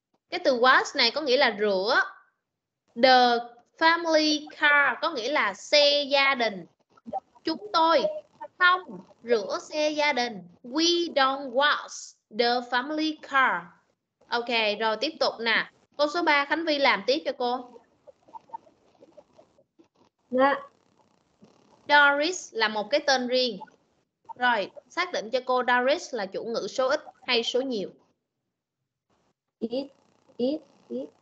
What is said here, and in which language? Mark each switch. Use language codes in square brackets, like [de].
[vi] Cái từ was này có nghĩa là rửa. [en] The family car [vi] có nghĩa là xe gia đình. Chúng tôi không rửa xe gia đình. [en] We don't wash the family car. [vi] Ok, rồi tiếp tục nè. Câu số 3, Khánh Vy làm tiếp cho cô. Dạ. Doris là một cái tên riêng. Rồi, xác định cho cô Doris là chủ ngữ số ít hay số nhiều? Ít, ít, ít.